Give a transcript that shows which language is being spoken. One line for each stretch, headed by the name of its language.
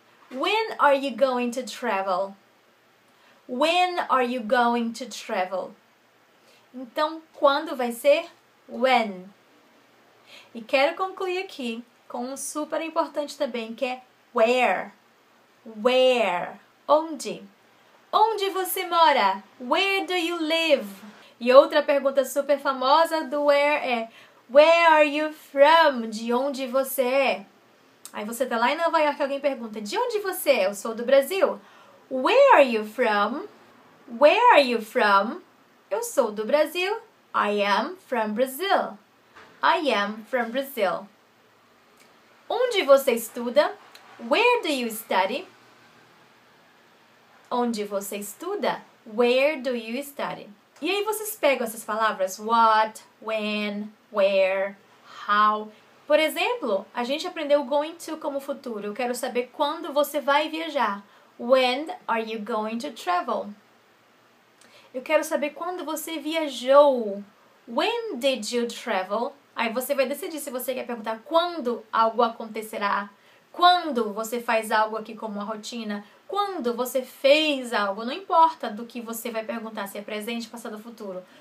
English: When are you going to travel? When are you going to travel?
Portuguese: Então, quando vai ser? When. E quero concluir aqui com um super importante também, que é where. Where? Onde? Onde você mora?
English: Where do you live?
Portuguese: E outra pergunta super famosa do where é:
English: Where are you from?
Portuguese: De onde você é? Aí você tá lá em Nova York e alguém pergunta: De onde você é? Eu sou do Brasil.
English: Where are you from? Where are you from?
Portuguese: Eu sou do Brasil.
English: I am from Brazil. I am from Brazil.
Portuguese: Onde você estuda?
English: Where do you study?
Portuguese: Onde você estuda?
English: Where do you study?
Portuguese: E aí vocês pegam essas palavras:
English: what, when, where, how.
Portuguese: Por exemplo, a gente aprendeu going to como futuro. Eu quero saber quando você vai viajar.
English: When are you going to travel?
Portuguese: Eu quero saber quando você viajou.
English: When did you travel?
Portuguese: Aí você vai decidir se você quer perguntar quando algo acontecerá. Quando você faz algo aqui como uma rotina? Quando você fez algo? Não importa do que você vai perguntar, se é presente, passado ou futuro.